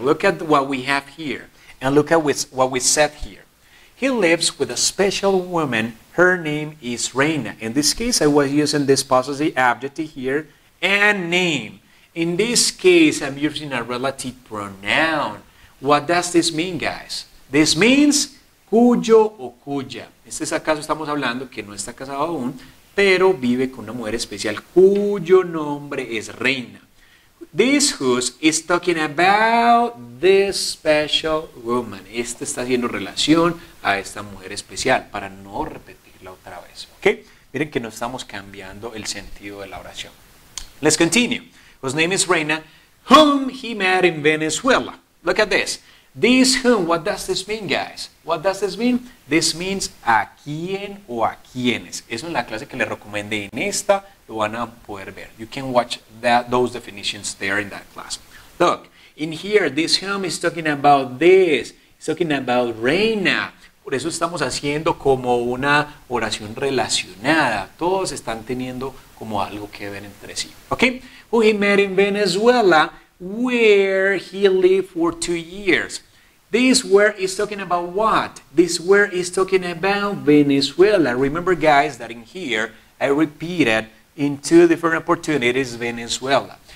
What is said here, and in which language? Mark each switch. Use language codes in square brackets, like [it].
[en] Look at what we have here and look at what we said here. He lives with a special woman. Her name is Reina. In this case, I was using this possessive adjective here and name. In this case, I'm using a relative pronoun. What does this mean, guys? This means [es] cuyo o cuya. Este es acaso estamos hablando que no está casado aún, pero vive con una mujer especial cuyo nombre es Reina. [en] This who's is talking about this special woman. [es] Este está haciendo relación a esta mujer especial, para no repetir la otra vez. ¿Ok? Miren que no estamos cambiando el sentido de la oración. [en] Let's continue. Whose name is Reina, whom he met in Venezuela. Look at this. This whom, what does this mean, guys? What does this mean? This means [es] a quién o a quiénes. Eso en la clase que les recomendé en esta lo van a poder ver. [en] You can watch those definitions there in that class. Look, in here, this whom is talking about this. It's talking about Reina. [es] Por eso estamos haciendo como una oración relacionada. Todos están teniendo como algo que ver entre sí. [en] Okay? Who he met in Venezuela, where he lived for 2 years. This where is talking about what? This where is talking about Venezuela. Remember, guys, that in here, I repeated in two different opportunities, Venezuela.